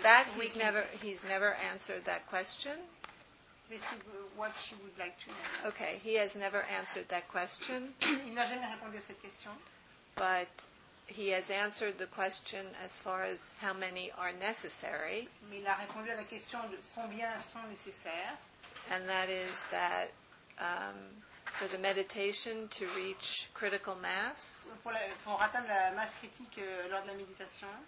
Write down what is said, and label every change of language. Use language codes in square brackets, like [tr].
[en] that, he's, never, he's never answered that question. This is what she would like to know. Okay, he has never answered that question. [fr] Il n'a jamais répondu à cette question. [en] But he has answered the question as far as how many are necessary. [fr] Mais il a répondu à la question de combien sont nécessaires. [en] And that is that for the meditation to reach critical mass. [fr] Pour atteindre la masse critique lors de la méditation.